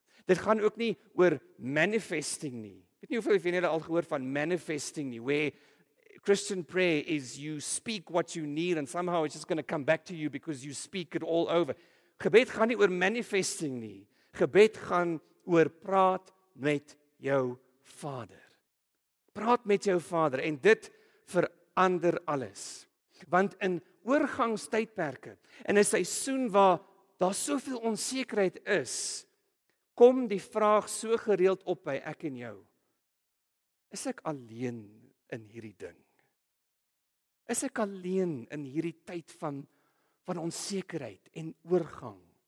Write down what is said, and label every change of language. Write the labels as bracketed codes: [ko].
[af] Dit gaan ook nie oor manifesting nie. Ek weet nie hoeveel van julle al gehoor van manifesting nie, [en] where Christian prayer is you speak what you need and somehow it's just going to come back to you because you speak it all over. [af] Gebed gaan nie oor manifesting nie. Gebed gaan oor praat met jou Vader. Praat met jou vader en dit verander alles. Want in oorgangstydperke, in 'n seisoen waar daar soveel onsekerheid is, kom die vraag so gereeld op by ek en jou. Is ek alleen in hierdie ding? Is ek alleen in hierdie tyd van onsekerheid en oorgang?